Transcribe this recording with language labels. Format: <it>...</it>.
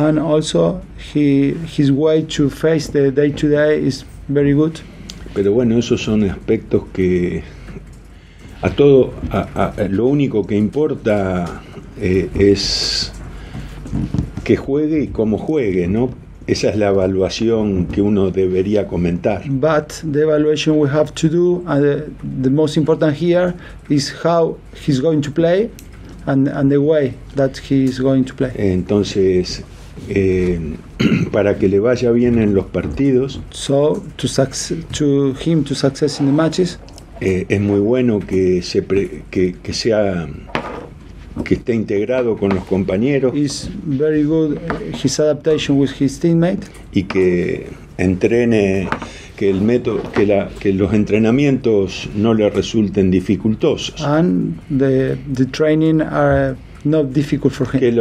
<en>And also his way to face the day to day is very good.</en> <es>Pero bueno, esos son aspectos que lo único que importa es que juegue y cómo juegue, ¿no? Esa es la evaluación que uno debería comentar.</es> <en>But the evaluation we have to do, and the most important here is how he's going to play and the way that he's going to play.</en> <es>Entonces, para que le vaya bien en los partidos.</es> <en>So to success in the matches.</en> <es>Es muy bueno que sea que esté integrado con los compañeros.</es> <en>Is very good his adaptation with his teammate.</en> <es>Y que entrene, que el método, que la, que los entrenamientos no le resulten dificultosos.</es> <en>And the training are not difficult for him.</en>